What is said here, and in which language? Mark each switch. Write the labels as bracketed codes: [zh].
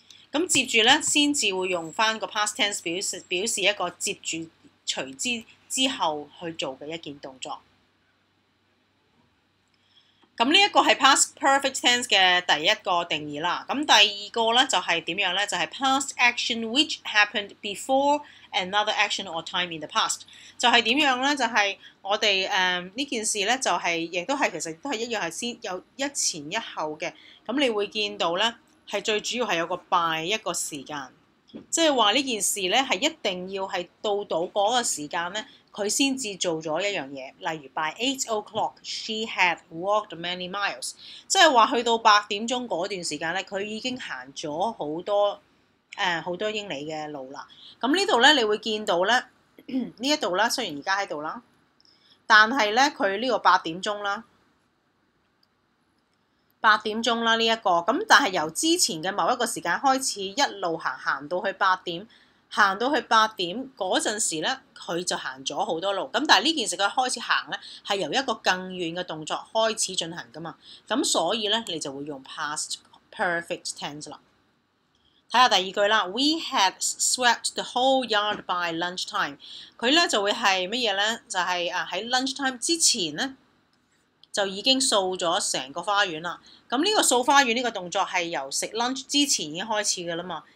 [yue] 咁接住咧先至會用翻個 past tense 表示一個接住隨之之後去做嘅一件動作。咁呢一個係 past perfect tense 嘅第一個定義啦。咁第二個咧就係點樣咧？就係 [en] past action which happened before another action or time in the past。 [yue] 就係點樣咧？就係我哋呢件事咧，就係亦都係其實都係一樣係先有一前一後嘅。咁你會見到咧，係最主要係有個 by 一個時間，即係話呢件事咧係一定要係到到嗰個時間咧。佢先至做咗一樣嘢，例如 [en] by 8 o'clock she had walked many miles， [yue] 即係話去到八點鐘嗰段時間咧，佢已經行咗好多好多英里嘅路啦。咁呢度咧，你會見到咧呢一度啦，雖然而家喺度啦，但係咧佢呢個八點鐘啦呢一個，咁但係由之前嘅某一個時間開始一路行到去八點。行到去八點嗰陣時咧，佢就行咗好多路。咁但係呢件事佢開始行咧，係由一個更遠嘅動作開始進行噶嘛。咁所以咧，你就會用 past perfect tense 啦。睇下第二句啦 [en] ，We had swept the whole yard by lunchtime。 [yue] 佢咧就會係乜嘢咧？就係喺 lunchtime 之前咧，就已經掃咗成個花園啦。咁呢個掃花園呢個動作係由食 lunch 之前已經開始噶啦嘛。